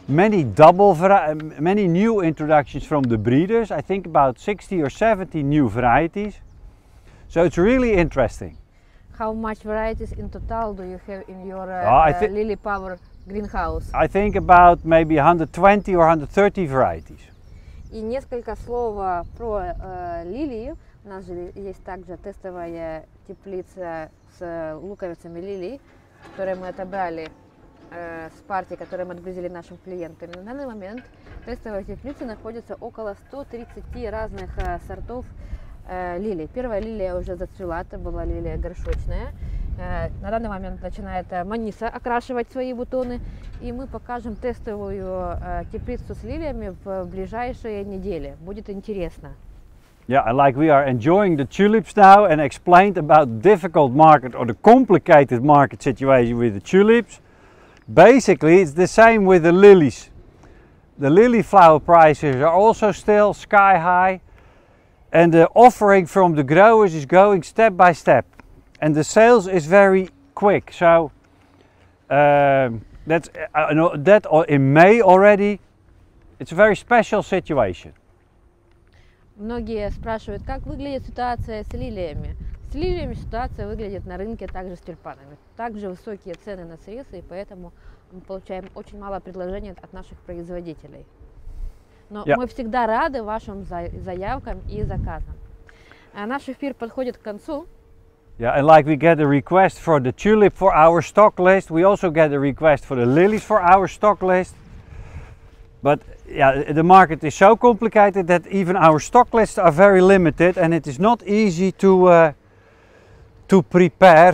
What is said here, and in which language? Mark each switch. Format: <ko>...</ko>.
<en>Many new introductions from the breeders. I think about 60 or 70 new varieties. So it's really interesting. How much varieties in total do you have in your Lily Power greenhouse? I think about maybe 120 or 130 varieties.</en> <ru>И несколько слов про лилии. У нас же есть также тестовая теплица с луковицами лилии, которые мы отобрали с партии, которые мы отгрузили нашим клиентам. На данный момент в тестовой теплице находится около 130 разных сортов лилий. Первая лилия уже зацвела, это была лилия горшочная. На данный момент начинает маниса окрашивать свои бутоны, и мы покажем тестовую теплицу с лилиями в ближайшие недели. Будет интересно.</ru> <en>Yeah, I like we are enjoying the tulips now and explained about difficult market or the complicated market situation with the tulips. Basically, it's the same with the lilies. The lily flower prices are also still sky high, and the offering from the growers is going step by step. And the sales is very quick, so that in May already, it's a very special situation.</en> <ru>Многие спрашивают, как выглядит ситуация с лилиями. С лилиями ситуация выглядит на рынке также с тюльпанами. Также высокие цены на срезы, и поэтому мы получаем очень мало предложений от наших производителей. Но мы всегда рады вашим заявкам и заказам. Наш эфир подходит к концу.</ru> <en>Yeah, and like we get a request for the tulip for our stock list, we also get a request for the lilies for our stock list. But yeah, the market is so complicated that even our stock lists are very limited, and it is not easy to prepare.</en>